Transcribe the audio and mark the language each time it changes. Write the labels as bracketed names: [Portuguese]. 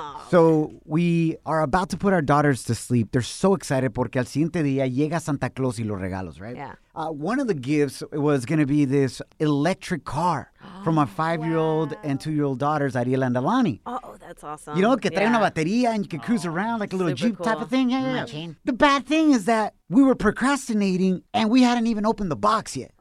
[English] So we are about to put our daughters to sleep. They're so excited [Spanish] porque al siguiente día llega Santa Claus y los regalos, right? [English] Yeah. One of the gifts was going to be this electric car from my five-year-old and two-year-old daughters, Ariela and Alani. Oh, that's awesome. You know, [Spanish] que trae una batería [English] and you can cruise around like a little Jeep type of thing. Yeah, yeah. Imagine. The bad thing is that we were procrastinating and we hadn't even opened the box yet.